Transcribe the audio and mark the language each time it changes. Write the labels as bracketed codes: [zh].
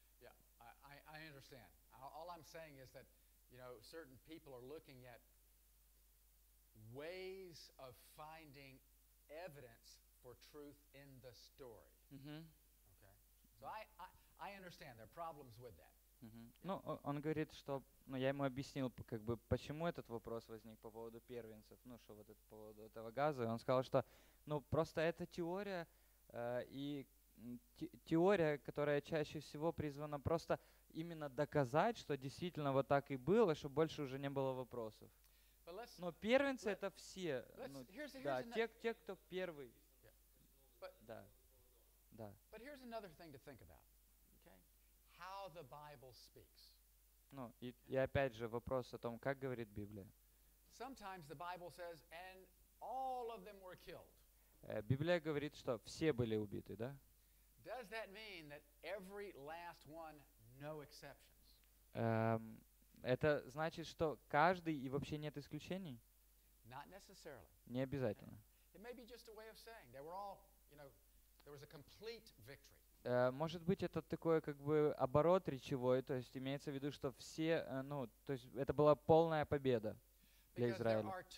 [en] Yeah, I understand. All I'm saying is that, you know, certain people are looking at ways of finding evidence for truth in the story. Mm-hmm. Okay. So I understand there are problems with that. Mm-hmm. [ru] Ну, он говорит, что, ну, я ему объяснил, как бы, почему этот вопрос возник по поводу первенцев, ну, что вот это по поводу этого газа, и он сказал, что, ну, просто это теория, и теория, которая чаще всего призвана просто именно доказать, что действительно вот так и было, чтобы больше уже не было вопросов. Но первенцы это все, ну, да, те, кто первый. Да. [en] But here's another thing to think about. How the Bible speaks. [ru] Ну, и опять же вопрос о том, как говорит Библия. [en] Sometimes the Bible says, and all of them were killed. [ru] Библия говорит, что все были убиты, да? [en] Does that mean that every last one, no exceptions? [ru] Это значит, что каждый и вообще нет исключений? [en] Not necessarily. [ru] Не обязательно. [en] It may be just a way of saying they were all, you know, there was a complete victory. [ru] Может быть, это такое, как бы, оборот речевой, то есть имеется в виду, что все, ну, то есть это была полная победа для Израиля.